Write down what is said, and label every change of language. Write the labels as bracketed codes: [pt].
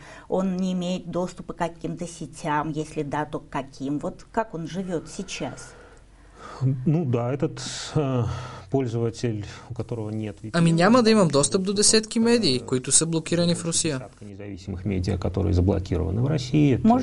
[ru] Он не имее доступа к каким-то сетям, если да, то каким? Вот как он живет сейчас? Ну да, этот пользователь, у которого нет VPN. [bg] Ами няма да имам достъп до десетки медии, които са блокирани в Русия. [ru] Независимых медиа, которые заблокированы в России.